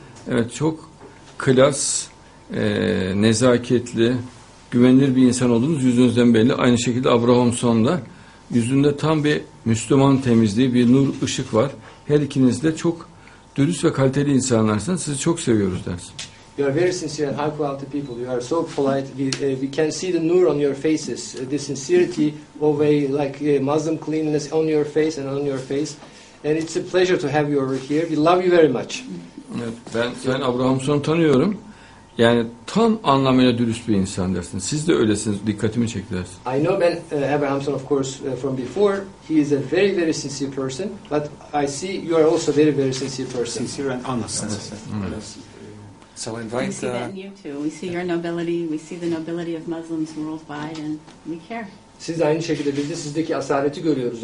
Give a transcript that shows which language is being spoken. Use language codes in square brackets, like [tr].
[tr] Evet, çok klas, nezaketli, güvenilir bir insan olduğunuz yüzünüzden belli. Aynı şekilde Abrahamson'da yüzünde tam bir Müslüman temizliği, bir nur, ışık var. Her ikiniz de çok dürüst ve kaliteli insanlarsınız. Sizi çok seviyoruz dersin. [en] You are very sincere and high quality people. You are so polite. We can see the nur on your faces, the sincerity of a like a Muslim cleanliness on your face and on your face. And it's a pleasure to have you over here. We love you very much. [tr] Ben Abrahamson'u tanıyorum. Yani tam anlamıyla dürüst bir insan dersin. Siz de öylesiniz. Dikkatimi çektiniz. [en] I know Ben Abrahamson, of course, from before. He is a very, very sincere person. But I see you are also very, very sincere person. Sincere and honest. Honest. So invite. We see that in you too. We see your nobility. We see the nobility of Muslims worldwide, and we care. [tr] Siz aynı şekilde biz de sizdeki asaleti görüyoruz.